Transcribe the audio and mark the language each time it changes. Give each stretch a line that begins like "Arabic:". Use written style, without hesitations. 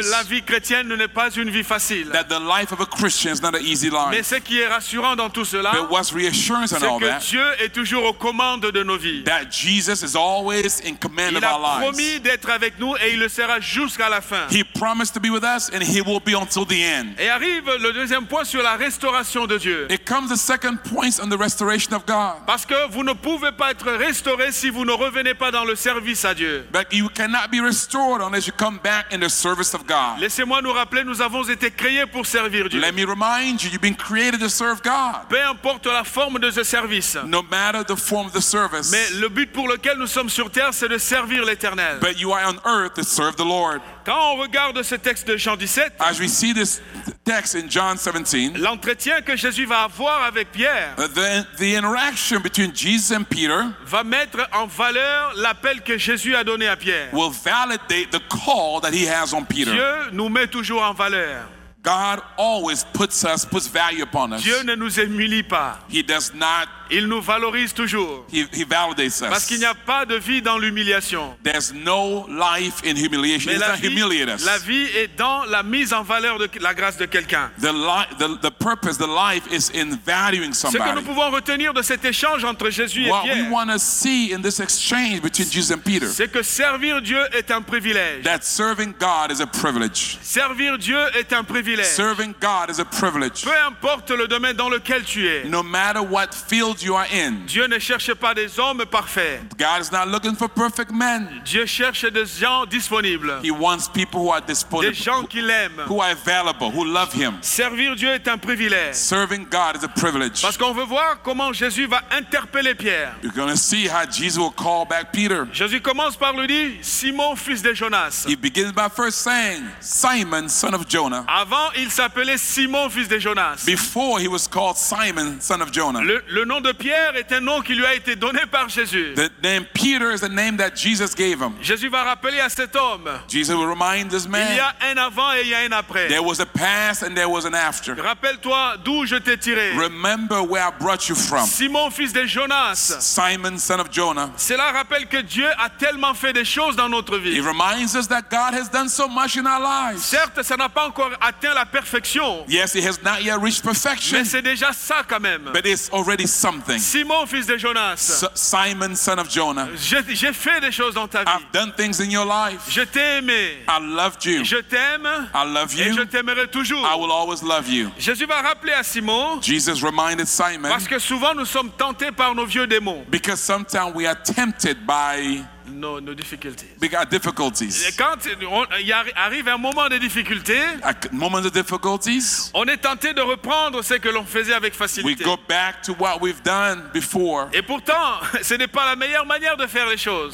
French: que la vie chrétienne ne n'est pas une vie facile.
English: That the life of a Christian is not an easy life.
French: Mais ce qui est rassurant dans tout cela,
English: but what's reassuring
French: c'est
English: in all
French: que
English: that,
French: Dieu est toujours aux commandes de nos vies.
English: That Jesus is always in command of our lives.
French: Il a promis d'être avec nous et il le sera jusqu'à la fin.
English: He promised to be with us and he will be until the end.
French: Et arrive le deuxième point sur la restauration de Dieu.
English: It comes the second point on the restoration of God.
French: Parce que vous ne pouvez pas être restauré si vous ne revenez pas dans le service à Dieu.
English: But you cannot be restored unless you come back in the service of God.
French: Laissez-moi nous rappeler, nous avons été créés pour servir Dieu.
English: Let me remind you, you've been created to serve God.
French: Peu importe la forme de ce service.
English: No matter the form of the service.
French: Mais le but pour lequel nous sommes sur terre, c'est de servir l'Éternel.
English: But you are on earth to serve the Lord.
French: Quand on regarde ce texte de Jean 17,
English: as we see this text in John 17,
French: l'entretien que Jésus va avoir avec Pierre,
English: the interaction between Jesus and Peter,
French: va mettre en valeur l'appel que Jésus a donné à Pierre.
English: Will validate the call that he has on Peter.
French: Dieu nous met toujours en valeur.
English: God always puts value upon us.
French: Dieu ne nous humilie pas.
English: He does not
French: Il nous valorise toujours.
English: He validates us.
French: Parce qu'il n'y a pas de vie dans l'humiliation.
English: There's no life in humiliation. It's not humiliating us.
French: La vie est dans la mise en valeur de la grâce de quelqu'un.
English: The purpose, the life is in valuing somebody.
French: Ce que nous pouvons retenir de cet échange entre Jésus et Pierre.
English: What we want to see in this exchange between Jesus and Peter.
French: C'est que servir Dieu est un privilège.
English: That serving God is a privilege.
French: Servir Dieu est un privilège.
English: Serving God is a privilège.
French: Peu importe le domaine dans lequel tu es.
English: No matter what field you are in.
French: Dieu ne cherche pas des hommes parfaits.
English: God is not looking for perfect men.
French: Dieu cherche des gens disponibles.
English: He wants people who are disponible.
French: Des gens qui l'aiment.
English: Who are available, who love him.
French: Servir Dieu est un privilège.
English: Serving God is a privilege.
French: Parce qu'on veut voir comment Jésus va interpeller Pierre.
English: You're going to see how Jesus will call back Peter.
French: Jésus commence par lui dire Simon fils de Jonas.
English: He begins by first saying Simon son of Jonah.
French: Avant il s'appelait Simon fils de Jonas.
English: Before he was called Simon son of Jonah.
French: Le nom de Pierre est un nom qui lui a été donné par Jésus.
English: The name Peter is the name that Jesus gave him.
French: Jésus va rappeler à cet homme.
English: Jesus will remind this man.
French: Il y a un avant et il y a un après.
English: There was a past and there was an after.
French: Rappelle-toi d'où je t'ai tiré.
English: Remember where I brought you from.
French: Simon fils de Jonas.
English: Simon son of Jonah.
French: Cela rappelle que Dieu a tellement fait des choses dans notre vie.
English: It reminds us that God has done so much in our lives.
French: Certes, ça n'a pas encore atteint la perfection.
English: Yes, it has not yet reached perfection.
French: Mais c'est déjà ça quand même.
English: But it's already something.
French: Simon fils de Jonas.
English: Simon son of Jonah.
French: J'ai fait des choses dans ta vie.
English: I've done things in your life.
French: Je t'ai aimé.
English: I loved you.
French: Je t'aime.
English: I love you.
French: Et je t'aimerai toujours.
English: I will always love you.
French: Jésus va rappeler à Simon.
English: Jesus reminded Simon.
French: Parce que souvent nous sommes tentés par nos vieux démons.
English: Because sometimes we are tempted by No difficulties. Big difficulties.
French: Quand il arrive un moment de difficulté,
English: moment of difficulties,
French: on est tenté de reprendre ce que l'on faisait avec facilité.
English: We go back to what we've done before.
French: Et pourtant, ce n'est pas la meilleure manière de faire les choses.